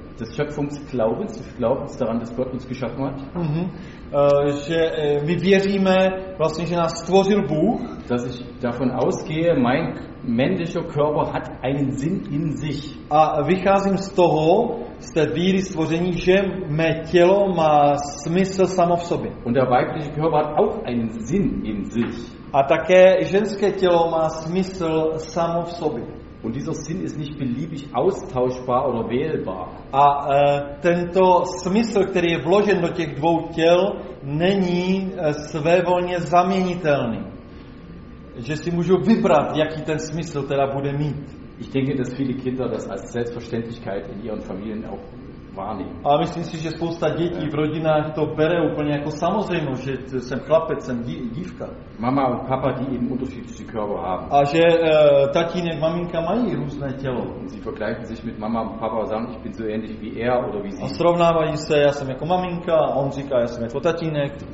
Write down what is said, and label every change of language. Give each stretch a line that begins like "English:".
German: Des Schöpfungsglaubens, des Glaubens daran, dass Gott uns geschaffen hat. Mm-hmm.
Czech: Že my věříme vlastně, že nás stvořil Bůh.
German: Dass ich davon ausgehe, mein männlicher Körper hat einen Sinn in sich.
Czech: A vycházím z toho, z té víry stvoření, že mé tělo má smysl samo v sobě.
German: Und der weibliche Körper hat auch einen Sinn in sich.
Czech: A také ženské tělo má smysl samo v sobě.
German: Und dieser Sinn ist nicht beliebig austauschbar oder wählbar.
Czech: A tento smysl, který je vložen do těch dvou těl, není svévolně zaměnitelný. Že si můžu vybrat, jaký ten smysl teda bude mít.
German: Ich denke, dass viele Kinder das als Selbstverständlichkeit in ihren Familien auch wahrnehmen.
Czech: A myslím si, že spousta dětí v rodinách to bere úplně jako samozřejmost, že jsem chlapec, jsem dívka.
German: Mama und Papa, die eben unterschiedliche Körper haben.
Czech: A že tatínek, maminka mají různé tělo.
German: Und sie vergleichen sich mit Mama und Papa, sagen, ich bin so ähnlich wie er oder wie sie.
Czech: A srovnávají se, já jsem jako maminka, a on říká, já jsem jako tatínek.